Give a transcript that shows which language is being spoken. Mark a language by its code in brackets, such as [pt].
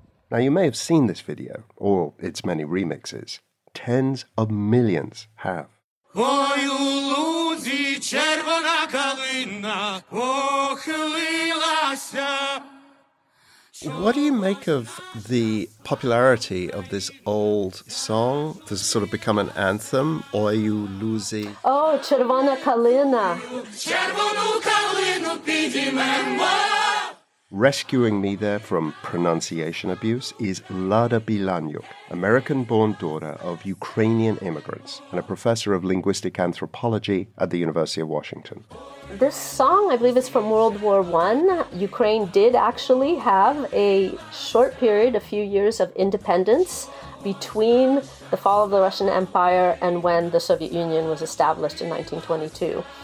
[en] Now, you may have seen this video, or its many remixes. Tens of millions have. [uk] Ой, у Лузі червона калина похилилася. [en] What do you make of the popularity of this old song? Does it sort of become an anthem? [uk] Ой, у Лузі. Oh, червона калина. Червону калину підіймемо. [en] Rescuing me there from pronunciation abuse is Lada Bilanyuk, American-born daughter of Ukrainian immigrants and a professor of linguistic anthropology at the University of Washington. This song, I believe, is from World War I. Ukraine did actually have a short period, a few years of independence between the fall of the Russian Empire and when the Soviet Union was established in 1922.